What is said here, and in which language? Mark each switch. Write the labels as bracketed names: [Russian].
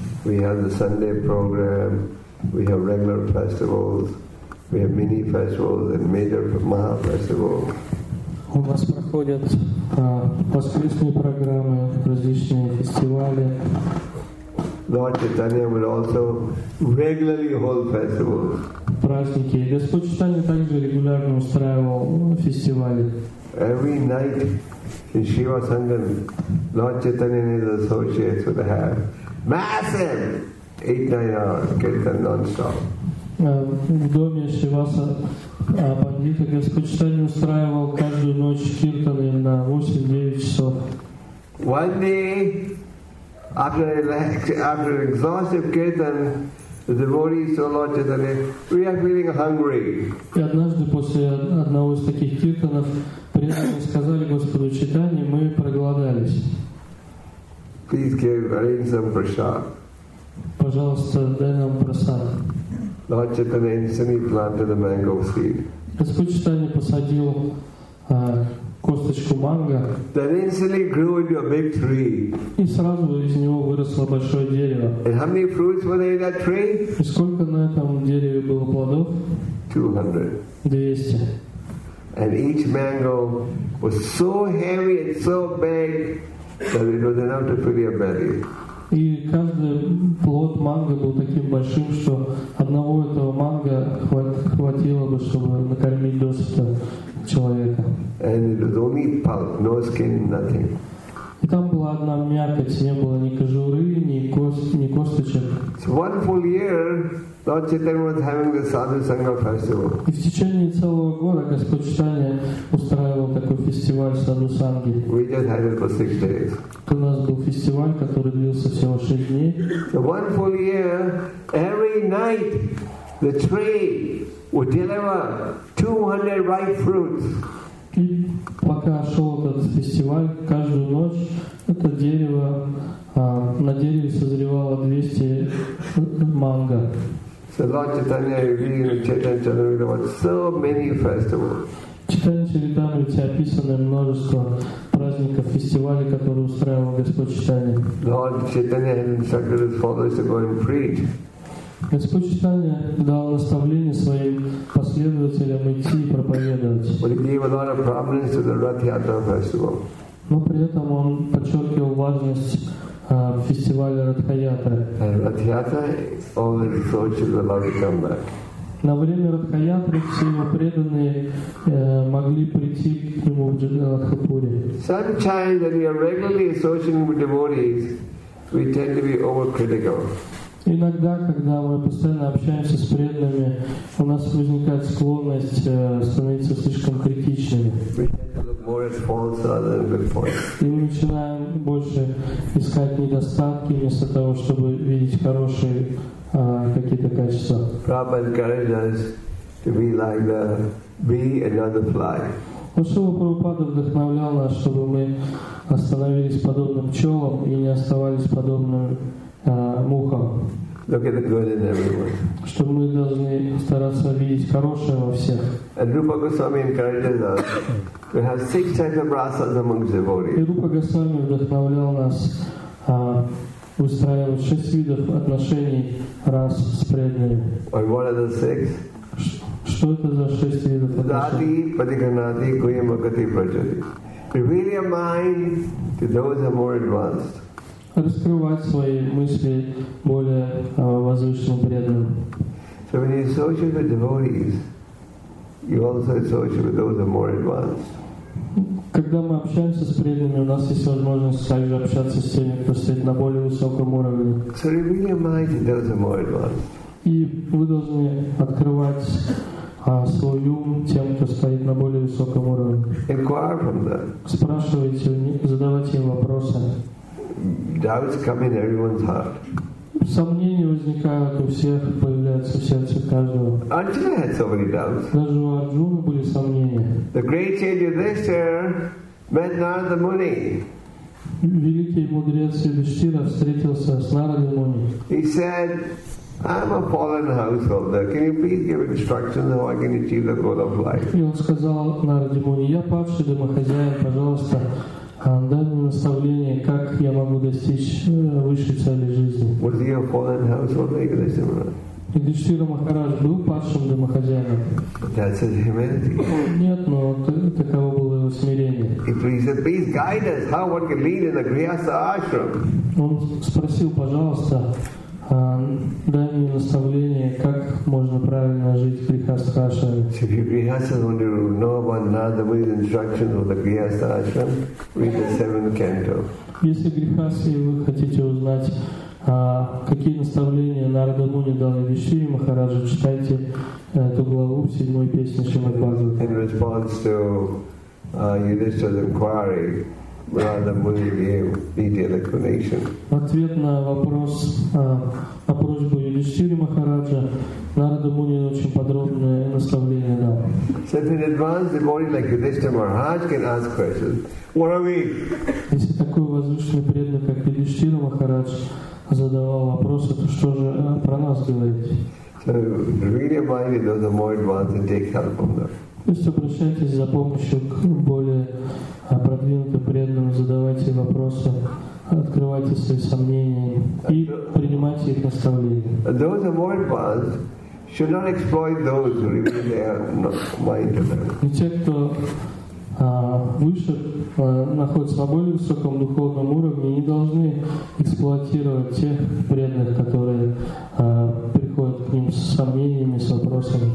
[English] We have the Sunday program, we have regular festivals, we have mini festivals and major Maha festivals. [Russian] У нас проходят воскресные программы, различные фестивали. [English] Lord Chaitanya will also regularly hold festivals. [Russian] Праздники. Господь Чайтанья также регулярно устраивал фестивали. [English] Every night in Shiva Sangam, Lord Chaitanya and his associates would have massive 8-9 hours kirtan non-stop. [Russian] В доме Шиваса Пандита Господь Чайтанья устраивал каждую ночь киртаны на 8-9 часов. [English] One day, after an exhaustive kirtan, the devotees saw Lord Chaitanya, we are feeling hungry. [Russian] И однажды после одного из таких киртанов преданные сказали Господу Чайтанье, мы проголодались. [English] Please give arrange some prasad. [Russian] Пожалуйста, дай нам прасад. [English] Lord Chaitanya instantly planted a mango seed. [Russian] Господь Чайтанья посадил косточку манго. [English] That instantly grew into a big tree. [Russian] И сразу из него выросло большое дерево. [English] And how many fruits were there in that tree? [Russian] И сколько на этом дереве было плодов? [English] 200. [Russian] 200. [English] And each mango was so heavy and so big that it was enough to fill your belly. [Russian] И каждый плод манго был таким большим, что одного этого манго хватило бы, чтобы накормить досыта человека. [English] And it was only pulp, no skin, nothing. [Russian] И там была одна мякоть, не было ни кожуры, ни косточек. [English] So one full year, Lord Chaitanya was having the Sadhu Sangha festival. [Russian] И в течение целого года Господь Чайтанья устраивал такой фестиваль Sadhu Sangha. [English] We just had it for 6 days. [Russian] У нас был фестиваль, который длился всего 6 дней. [English] So one full year, every night, the tree would deliver 200 ripe fruits. [Russian] И пока шел этот фестиваль, каждую ночь это дерево, на дереве созревало 200 манго. [English] So Lord Chaitanya revealed in Chaitanya Charitamrita about so many festivals. [Russian] В Чайтанья Чаритамрите описано множество праздников, фестивалей, которые устраивал Господь Чайтанья. [English] Lord Chaitanya had instructed his followers to go and preach. [Russian] Господь Чайтанья дал наставление своим последователям идти и проповедовать. Но при этом он подчеркивал важность фестиваля Радхаятры. [English] Радхаята only devotees were allowed to come back. [Russian] На время Радхаятры все его преданные могли прийти к нему в Джаганнатхапуре. [English] Sometimes when we are regularly associating with devotees, we tend to be overcritical. [Russian] Иногда, когда мы постоянно общаемся с преданными, у нас возникает склонность становиться слишком критичными. И мы начинаем больше искать недостатки, вместо того, чтобы видеть хорошие какие-то качества. [English] Prabhupada encouraged us to be like the bee and not the fly. [Russian] Шрила Прабхупада вдохновлял нас, чтобы мы остановились подобным пчелам и не оставались подобным мухам. [English] Look at the good in everyone. [Russian] Что мы должны стараться видеть хорошее во всех. [English] And Rupa Goswami encourages us to have six types of rasas among devotees. [Russian] И Рупа Госвами вдохновлял нас устраивать шесть видов отношений рас с преданными. [English] And what are the six? [Russian] Что это за шесть видов отношений? Дади, Падиганади, Куямакати, Праджади. [English] Reveal your mind to those who are more advanced. [Russian] Раскрывать свои мысли более возвышенным преданным. [English] So when you associate with devotees, you also associate with those who are more advanced. [Russian] Когда мы общаемся с преданными, у нас есть возможность также общаться с теми, кто стоит на более высоком уровне. [English] So reveal your mind to those who are more advanced. [Russian] И вы должны открывать свой ум тем, кто стоит на более высоком уровне. [English] Inquire from them. [Russian] Спрашивайте, задавайте им вопросы. [English] Doubts come in everyone's heart. [Russian] Сомнения возникают у всех, появляются в сердце каждого. [English] Arjuna had so many doubts. [Russian] Даже у Арджуны были сомнения. [English] The great sage of this era met Narada Muni. [Russian] Великий мудрец Юдхиштхира встретился с Нарадой Муни. [English] He said, I'm a fallen householder. Can you please give instructions how I can achieve the goal of life? [Russian] И он сказал Нараде Муни, я падший домохозяин, пожалуйста, дай мне наставление, как я могу достичь высшей цели жизни. [English] Was he a fallen householder, Игдиштхира? [Russian] Игдиштхира Махарадж был падшим домохозяином. [English] That's his humility. [Russian] Нет, но таково было его смирение. [English] If he said, please guide us, how one can lead in the Grihastha ashram. [Russian] Он спросил, пожалуйста, дай мне наставление, как можно правильно жить в Грихастха ашраме. [English] So if you Grihastha want to know about Narada Muni's instructions of the Grihastha ashram, read the seventh canto. [Russian] Если Грихастхи вы хотите узнать, какие наставления Нарада Муни дал Юдхиштхире Махараджу, читайте эту главу в седьмой песне Шримад Бхагаватам. [English] In response to Yudhishthira's inquiry, Narada Muni gave detailed explanation. [Russian] В ответ на вопрос о просьбе Юдхиштхиры Махараджа, Нарада Муни очень подробное наставление дал. [English] So if an advanced devotee like Yudhishthira Maharaj can ask questions, what are we? [Russian] Если такой возвышенный преданный, как Юдхиштхира Махарадж, задавал вопросы, то что же про нас говорите? [English] So really mind it those are more advanced and take help from them. [Russian] То есть обращайтесь за помощью к более продвинутым преданным, задавайте вопросы, открывайте свои сомнения и принимайте их наставления. [English] Those who are more advanced should not exploit those who reveal their mind to them. [Russian] И те, кто выше, находятся на более высоком духовном уровне, не должны эксплуатировать тех преданных, которые приходят к ним с сомнениями, с вопросами.